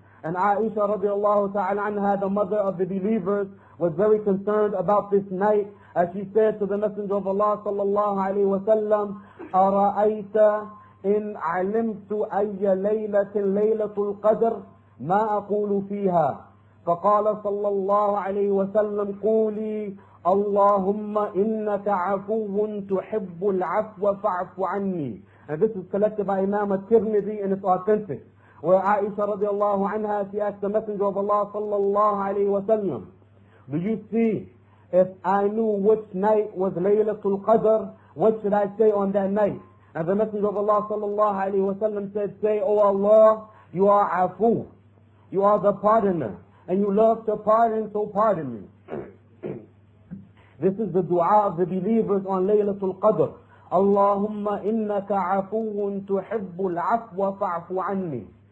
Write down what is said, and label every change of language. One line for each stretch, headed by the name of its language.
English: And Aisha radiallahu ta'ala anha, the mother of the believers, was very concerned about this night, as she said to the Messenger of Allah sallallahu alayhi wa sallam,
Arabic: أَرَأَيْتَ إِنْ عَلِمْتُ أَيَّ لَيْلَةٍ لَيْلَةُ الْقَدْرِ مَا أَقُولُ فِيهَا. فَقَالَ sallallahu alayhi wa sallam, قُولِي أَلَّهُمَّ إِنَّكَ عَفُوٌ تُحِبُّ الْعَفْوَ فَعْفُ عَنِّي.
English: And this is collected by Imam al-Tirmidhi and it's authentic. Where Aisha radiallahu anha, she asked the Messenger of Allah sallallahu alayhi wa sallam, do you see, if I knew which night was Laylatul Qadr, what should I say on that night? And the Messenger of Allah sallallahu alayhi wa sallam said, say, O Allah, you are afu, you are the pardoner, and you love to pardon, so pardon me. This is the dua of the believers on Laylatul Qadr.
Arabic: اللهم إنك عفو تحب العفو فاعف عني.